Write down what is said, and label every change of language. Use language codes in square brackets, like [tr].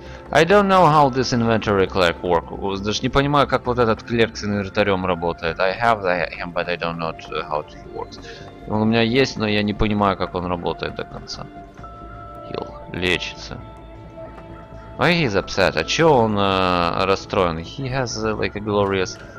[en] I don't know how this inventory clerk works. [ru] Даже не понимаю, как вот этот клерк с инвентарем работает. [en] I have him, but I don't know how he works. [ru] Он у меня есть, но я не понимаю, как он работает до конца. [en] Heal. [ru] Лечится. [en] Why he's upset? [ru] А чё он расстроен? [en] He has like a glorious...